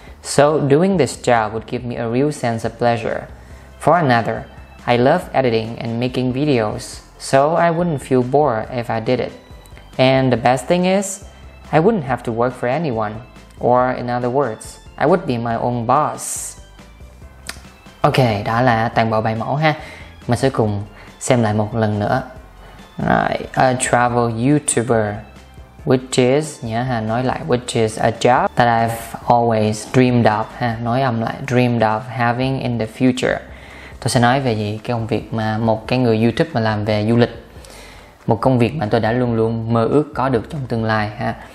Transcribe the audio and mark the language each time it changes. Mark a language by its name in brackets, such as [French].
[English] So doing this job would give me a real sense of pleasure. For another, I love editing and making videos, so I wouldn't feel bored if I did it. And the best thing is, I wouldn't have to work for anyone. Or in other words, I would be my own boss. [Vietnamese] Ok, đó là toàn bộ bài mẫu ha. Mình sẽ cùng xem lại một lần nữa. [English] Right, a travel YouTuber, which is, [Vietnamese] nhớ ha, nói lại, [English] which is a job that I've always dreamed of, [Vietnamese] ha, nói âm lại, [English] dreamed of having in the future. [Vietnamese] Tôi sẽ nói về gì? Cái công việc mà một cái người YouTube mà làm về du lịch. Một công việc mà tôi đã luôn luôn mơ ước có được trong tương lai, ha.